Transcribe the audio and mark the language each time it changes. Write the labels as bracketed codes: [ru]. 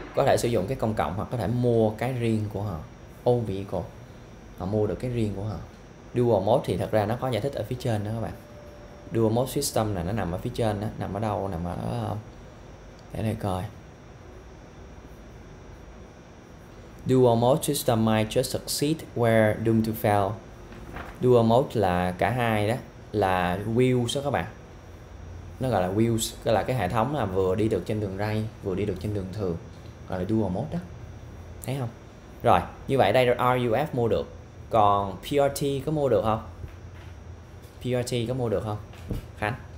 [vi] Có thể sử dụng cái công cộng hoặc có thể mua cái riêng của họ. Old vehicle. Họ mua được cái riêng của họ. Dual mode thì thật ra nó có giải thích ở phía trên đó các bạn. Dual mode system là nó nằm ở phía trên đó, nằm ở đâu, nằm ở để này coi. [en] Dual mode system might just succeed where doomed to fail. [vi] Dual mode là cả hai đó, là wheels đó các bạn. Nó gọi là wheels, gọi là cái hệ thống là vừa đi được trên đường ray, vừa đi được trên đường thường, gọi là dual mode đó. Thấy không? Rồi, như vậy đây RUF mua được. Còn PRT có mua được không? PRT có mua được không? Khánh.